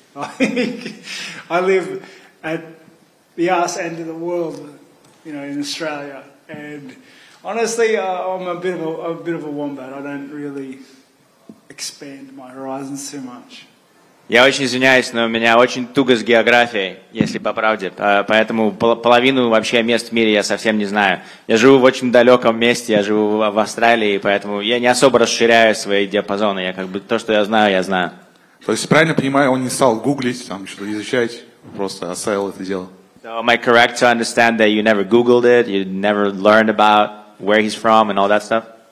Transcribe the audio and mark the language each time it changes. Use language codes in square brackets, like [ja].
[en] Like, I live at the ass end of the world, you know, in Australia. And honestly, I'm a bit of a wombat. I don't really expand my horizons too much. [ru] Я очень извиняюсь, но у меня очень туго с географией, если по правде. Поэтому половину вообще мест в мире я совсем не знаю. Я живу в очень далеком месте, я живу в Австралии, поэтому я не особо расширяю свои диапазоны. Я как бы то, что я знаю, я знаю. То есть, правильно понимаю, он не стал гуглить, там что-то изучать, просто оставил это дело. [en] So, am I correct to understand that you never googled it, you never learned about where he's from and all that stuff?